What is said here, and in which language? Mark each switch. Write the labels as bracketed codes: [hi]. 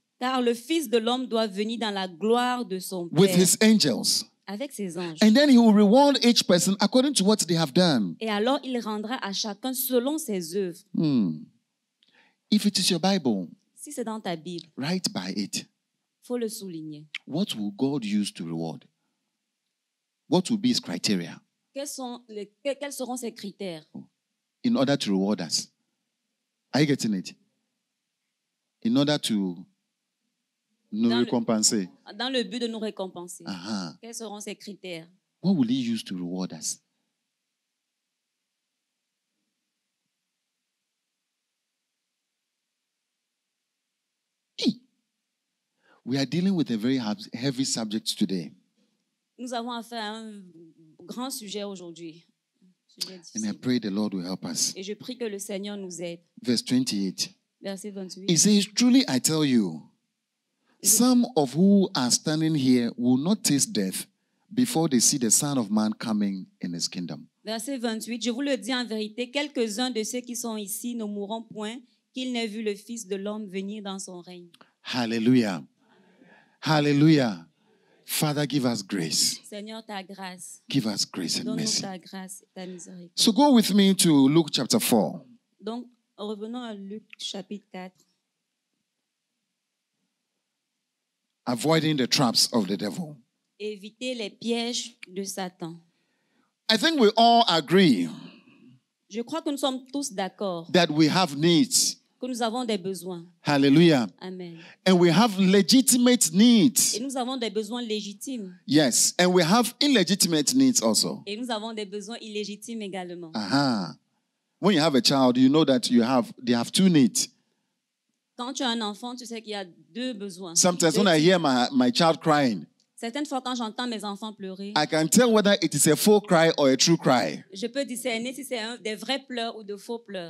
[fr] Car le Fils de l'homme doit venir dans la gloire de son Père. [en] With his angels. [fr] Avec ses anges. [en] And then he will reward each person according to what they have done. [fr] Et alors il rendra à chacun selon ses œuvres. [en] If it is your Bible. [fr] Si c'est dans ta Bible. [en] Write by it. [fr] Faut le souligner. [en] What will God use to reward? What will be his criteria? [fr] Quels seront ses critères? [en] In order to reward us. Are you getting it? In order to [fr] nous récompenser. Dans le but de nous récompenser. Uh-huh. Quels seront ses critères? [en] What will he use to reward us? We are dealing with a very heavy subject today. [fr] Nous avons affaire à un grand sujet aujourd'hui. [en] And I pray the Lord will help us. [fr] Et je prie que le Seigneur nous aide. [en] Verse 28. He says, truly I tell you, some of who are standing here will not taste death before they see the Son of Man coming in his kingdom. [fr] Verset 28, je vous le dis en vérité, quelques-uns de ceux qui sont ici ne mourront point qu'ils n'aient vu le Fils de l'homme venir dans son règne. [en] Hallelujah. Hallelujah. Father, give us grace. [fr] Seigneur, ta grâce. [en] Give us grace and [fr] Donne-nous [en] mercy. [fr] Ta grâce et ta miséricorde. [en] So go with me to Luke chapter 4. [fr] Donc, revenons à Luc chapitre 4. [en] Avoiding the traps of the devil. [fr] Éviter les pièges de Satan. [en] I think we all agree. [fr] Je crois que nous sommes tous d'accord. [en] That we have needs. [fr] Que nous avons des besoins. [en] Hallelujah. Amen. And we have legitimate needs. [fr] Et nous avons des besoins légitimes. [en] Yes, and we have illegitimate needs also. [fr] Et nous avons des besoins illégitimes également. Aha. [en] When you have a child, you know that you have they have two needs. [fr] Quand tu as un enfant, tu sais qu'il y a deux besoins. [en] Sometimes when I hear my child crying. [fr] Certaines fois, quand j'entends mes enfants pleurer, [en] I can tell whether it is a faux cry or a true cry. [fr] Je peux discerner si c'est des vrais pleurs ou de faux pleurs.